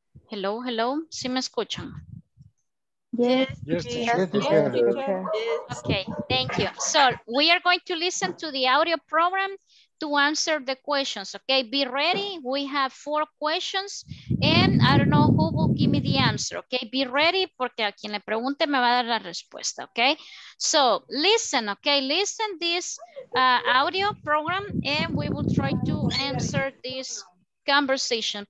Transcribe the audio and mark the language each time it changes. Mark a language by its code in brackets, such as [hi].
[en] Hello, hello. [es] ¿Sí me escuchan? [en] Yes. Okay, thank you. So we are going to listen to the audio program to answer the questions, okay? Be ready. We have four questions and I don't know who will give me the answer, okay? Be ready [es] porque a quien le pregunte me va a dar la respuesta, okay? [en] So listen, okay? Listen this audio program and we will try to answer this conversation.